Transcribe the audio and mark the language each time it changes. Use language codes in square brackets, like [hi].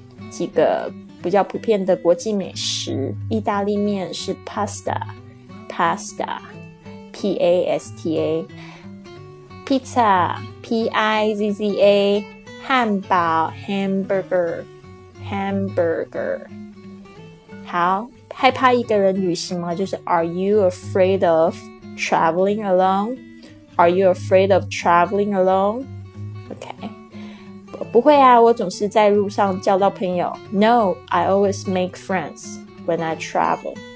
[zh] 几个比较普遍的国际美食，意大利面是 pasta，P-A-S-T-A， pizza，P-I-Z-Z-A， 汉堡 hamburger。好，害怕一个人旅行吗？ [en] 就是 Are you afraid of traveling alone? Are you afraid of traveling alone? [zh] OK，不会啊，我总是在路上交到朋友。 [en] No, I always make friends when I travel.